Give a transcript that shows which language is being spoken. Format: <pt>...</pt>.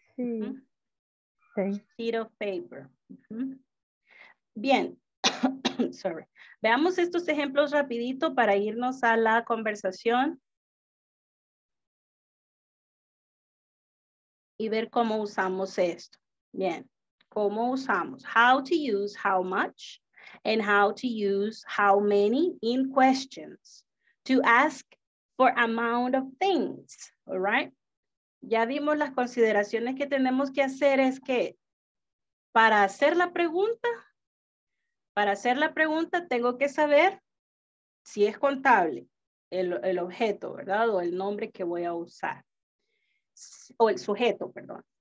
<en>Uh-huh. Sí. Sheet of paper. Uh-huh. Bien. Sorry.</en> <es>Veamos estos ejemplos rapidito para irnos a la conversación y ver cómo usamos esto. Bien, cómo usamos.</es> <en>How to use how much and how to use how many in questions to ask for amount of things. All right.</en> <es>Ya vimos las consideraciones que tenemos que hacer es que para hacer la pregunta. Para hacer la pregunta, tengo que saber si es contable el objeto, ¿verdad? O el nombre que voy a usar. O el sujeto, perdón.</es>